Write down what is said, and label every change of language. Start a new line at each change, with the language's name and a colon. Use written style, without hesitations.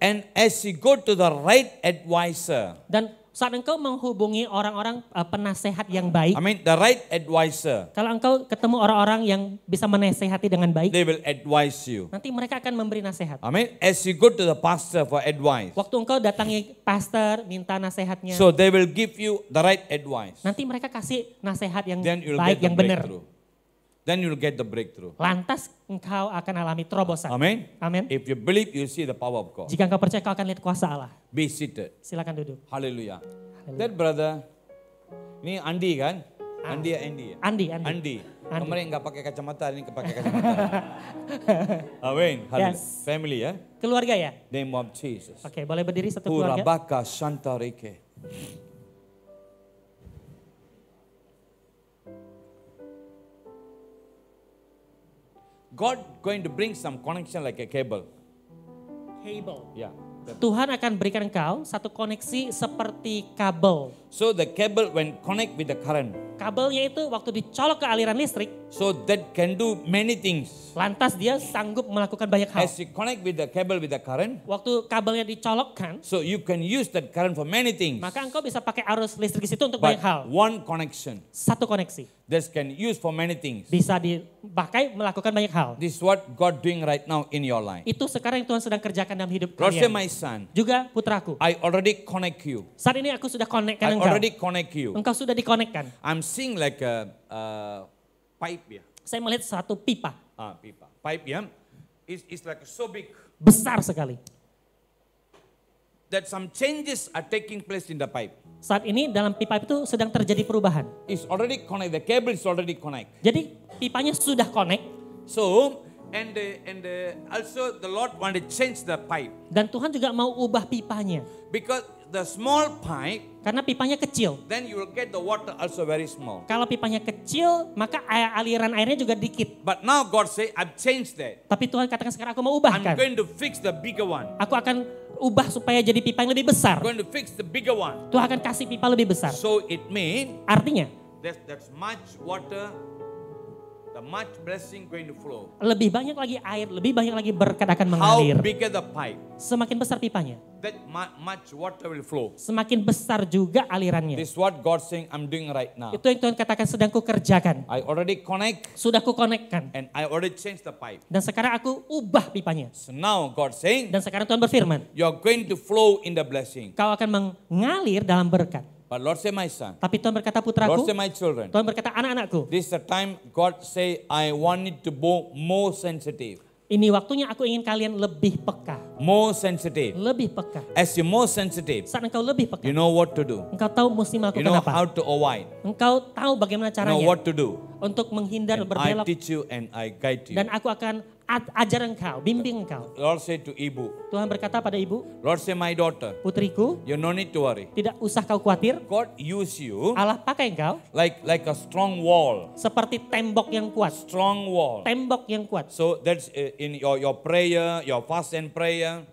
English: And as you go to the right advisor.
Indonesian: Dan saat engkau menghubungi orang-orang penasehat yang baik.
English: I mean the right advisor.
Indonesian: Kalau engkau ketemu orang-orang yang bisa menasehati dengan baik,
English: they will advise you.
Indonesian: Nanti mereka akan memberi nasihat.
English: I mean as you go to the pastor for advice.
Indonesian: Waktu engkau datangi pastor minta nasihatnya.
English: So they will give you the right advice.
Indonesian: Nanti mereka kasih nasihat yang baik, yang benar.
English: Then you'll get the breakthrough.
Indonesian: Lantas engkau akan alami terobosan. Amen. Amen.
English: If you believe, you see the power of God.
Indonesian: Jika engkau percaya, kau akan lihat kuasa Allah.
English: Be seated.
Indonesian: Silakan duduk.
English: Hallelujah. Hallelujah. That brother,
Indonesian: ini Andi kan?
English: Andi.
Indonesian: Kemarin enggak pakai kacamata, ini pakai kacamata. Amen.
English: Hallelujah. Yes. Family ya?
Indonesian: Keluarga ya?
English: Name of Jesus.
Indonesian: Oke, okay, boleh berdiri satu keluarga. Purabaka Santarike.
English: God going to bring some connection like a cable. Cable. Yeah.
Indonesian: Tuhan akan berikan kau satu koneksi seperti kabel.
English: So the cable when connect with the current.
Indonesian: Kabelnya itu waktu dicolok ke aliran listrik.
English: So that can do many things.
Indonesian: Lantas dia sanggup melakukan banyak hal.
English: As you connect with the cable with the current.
Indonesian: Waktu kabelnya dicolokkan.
English: So you can use that current for many things.
Indonesian: Maka engkau bisa pakai arus listrik itu untuk
English: but
Indonesian: banyak hal.
English: One connection.
Indonesian: Satu koneksi.
English: This can use for many things.
Indonesian: Bisa dipakai melakukan banyak hal.
English: This is what God doing right now in your life.
Indonesian: Itu sekarang yang Tuhan sedang kerjakan dalam hidup kalian.
English: Rose, my son.
Indonesian: Juga putraku.
English: I already connect you.
Indonesian: Saat ini aku sudah connect-kan
English: I
Indonesian: engkau.
English: I already connect you.
Indonesian: Engkau sudah dikonekkan.
English: I'm seeing like a pipe ya.
Indonesian: Saya melihat satu pipa.
English: Pipa. Pipe ya. It's like so big.
Indonesian: Besar sekali.
English: That some changes are taking place in the pipe.
Indonesian: Saat ini dalam pipa itu sedang terjadi perubahan.
English: It's already connect. The cable is already connect.
Indonesian: Jadi pipanya sudah connect.
English: So and also the Lord want to change the pipe.
Indonesian: Dan Tuhan juga mau ubah pipanya.
English: Because the small pipe.
Indonesian: Karena pipanya kecil.
English: Then you will get the water also very small.
Indonesian: Kalau pipanya kecil maka aliran airnya juga dikit.
English: But now God say I've changed that.
Indonesian: Tapi Tuhan katakan sekarang aku mau ubahkan.
English: I'm going to fix the bigger one.
Indonesian: Aku akan ubah supaya jadi pipa yang lebih besar.
English: Going to fix the bigger one.
Indonesian: Tuhan akan kasih pipa lebih besar.
English: So it mean.
Indonesian: Artinya.
English: That's much water. The much blessing going to flow.
Indonesian: Lebih banyak lagi air, lebih banyak lagi berkat akan mengalir.
English: How bigger the pipe?
Indonesian: Semakin besar pipanya.
English: That much water will flow.
Indonesian: Semakin besar juga alirannya.
English: This is what God saying I'm doing right now.
Indonesian: Itu yang Tuhan katakan sedang ku kerjakan.
English: I already connect.
Indonesian: Sudah ku konekkan.
English: And I already change the pipe.
Indonesian: Dan sekarang aku ubah pipanya.
English: So now God saying.
Indonesian: Dan sekarang Tuhan berfirman.
English: You're going to flow in the blessing.
Indonesian: Kau akan mengalir dalam berkat.
English: But Lord say my son.
Indonesian: Tapi Tuhan berkata putraku.
English: Lord say my children.
Indonesian: Tuhan berkata anak-anakku.
English: This is the time God say I want it to be more sensitive.
Indonesian: Ini waktunya aku ingin kalian lebih peka.
English: More sensitive.
Indonesian: Lebih peka.
English: As you more sensitive.
Indonesian: Saat engkau lebih peka.
English: You know what to do.
Indonesian: Engkau tahu mesti melakukan apa.
English: You know how to avoid.
Indonesian: Engkau tahu bagaimana caranya.
English: Know what to do.
Indonesian: Untuk menghindar
English: and
Indonesian: berbelok.
English: I teach you and I guide you.
Indonesian: Dan aku akan ajar engkau, bimbing engkau.
English: Lord say to ibu.
Indonesian: Tuhan berkata pada ibu.
English: Lord say my daughter.
Indonesian: Putriku.
English: You no need to worry.
Indonesian: Tidak usah kau khawatir.
English: God use you.
Indonesian: Allah pakai engkau.
English: Like a strong wall.
Indonesian: Seperti tembok yang kuat.
English: Strong wall.
Indonesian: Tembok yang kuat.
English: So that's in your prayer, your fast and prayer.